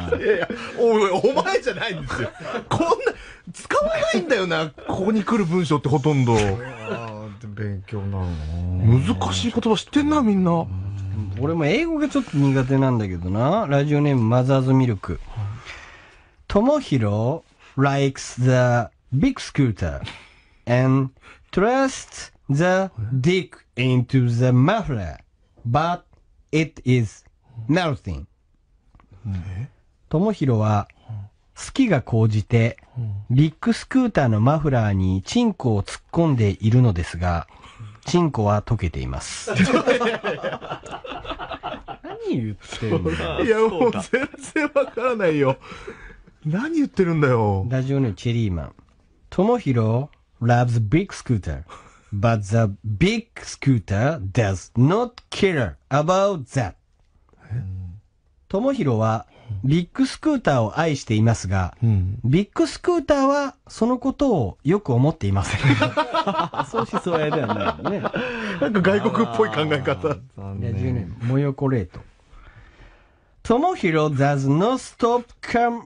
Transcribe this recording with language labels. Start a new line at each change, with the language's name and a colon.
Japanese: いやいや、お前じゃないんですよ。こんな使わないんだよな。ここに来る文章ってほとんど。勉強なの。難しい言葉知ってんなみんな。俺も英語がちょっと苦手なんだけどな。ラジオネームマザーズミルク。
English: 智弘 likes the big scooter. And thrust the dick into the muffler, but it is melting.
Japanese: ともひろは好きが高じてビッグスクーターのマフラーにチンコを突っ込んでいるのですが、チンコは溶けています。何言ってんだ。いやもう全然わからないよ。何言ってるんだよ。ラジオネームチェリーマン。
English: ともひろloves big scooter, but the big scooter does not care about that.
Japanese: ともひろはビッグスクーターを愛していますが、ビッグスクーターはそのことをよく思っていません。そうしそうやではないよね。なんか外国っぽい考え方。残念。
English: いや、10年、モヨコレート。ともひろ does not stop come